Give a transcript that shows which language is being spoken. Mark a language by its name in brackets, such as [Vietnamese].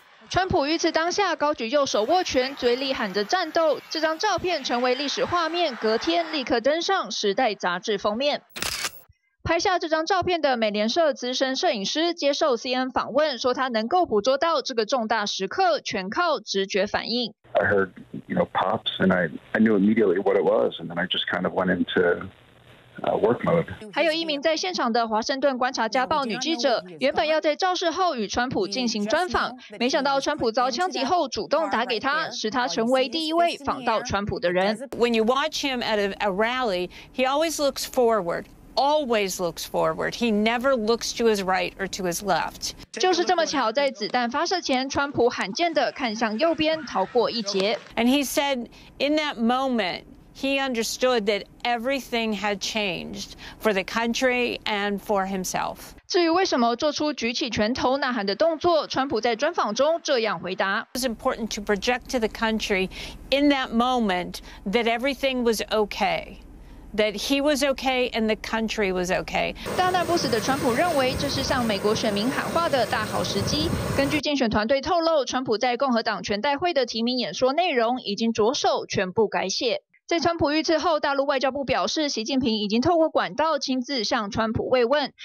[Chinese] 川普遇刺当下高举右手握拳，嘴里喊着战斗，这张照片成为历史画面，隔天立刻登上《时代》杂志封面。拍下这张照片的美联社资深摄影师接受 CNN 访问，说他能够捕捉到这个重大时刻，全靠直觉反应。 [English] I heard, you know, pops, and I knew immediately what it was, and then I just kind of went into. [Chinese] 还有一名在现场的华盛顿观察家报女记者，原本要在肇事后与川普进行专访，没想到川普遭枪击后主动打给他，使他成为第一位访到川普的人。 [English] When you watch him at a rally, he always looks forward. Always looks forward. He never looks to his right or to his left. [Chinese] 就是这么巧，在子弹发射前，川普罕见的看向右边，逃过一劫。 [English] And he said, in that moment, he understood that everything had changed for the country and for himself. [Chinese] 至于为什么做出举起拳头呐喊的动作，川普在专访中这样回答 [English] ：It was important to project to the country in that moment that everything was okay. That he was okay and the country was okay. [Chinese] 大难不死的川普认为这是向美国选民喊话的大好时机。根据竞选团队透露，川普在共和党全代会的提名演说内容已经着手全部改写。在川普遇刺后，大陆外交部表示，习近平已经透过管道亲自向川普慰问。